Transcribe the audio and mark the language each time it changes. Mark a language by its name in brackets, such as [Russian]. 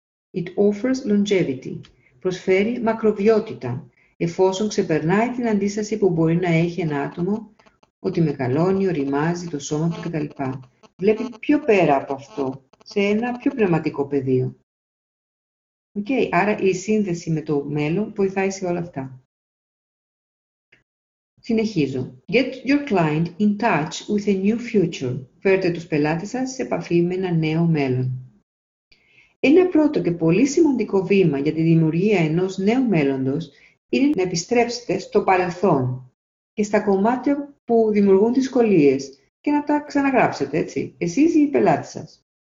[English] It offers longevity. [Greek] Προσφέρει μακροβιότητα, εφόσον ξεπερνάει την αντίσταση που μπορεί να έχει ένα άτομο ότι μεγαλώνει, οριμάζει το σώμα του κτλ. Βλέπει πιο πέρα από αυτό, σε ένα πιο πνευματικό πεδίο. Okay, άρα η σύνδεση με το μέλλον βοηθάει σε όλα αυτά. Συνεχίζω. [English] Get your client in touch with a new future. [Greek] Φέρτε τους πελάτες σας σε επαφή με ένα νέο μέλλον. Ένα πρώτο και πολύ σημαντικό βήμα για τη δημιουργία ενός νέου μέλλοντος είναι να επιστρέψετε στο παρελθόν και στα κομμάτια που δημιουργούν δυσκολίες και να τα ξαναγράψετε, έτσι, εσείς ή οι πελάτες σας.